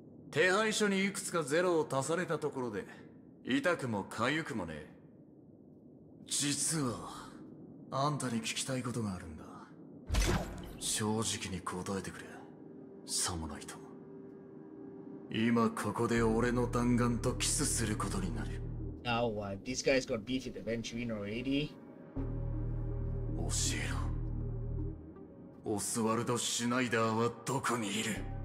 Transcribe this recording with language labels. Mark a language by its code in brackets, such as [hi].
[ja] 手配書にいくつかゼロを足されたところで痛くも痒くもねえ。実はあんたに聞きたいことがあるんだ。正直に答えてくれ、さもないと今ここで俺の弾丸とキスすることになる。 [en] Now what? This guy's got beef with the Venturino AD? [ja] 教えろ、オスワルド・シュナイダーはどこにいる？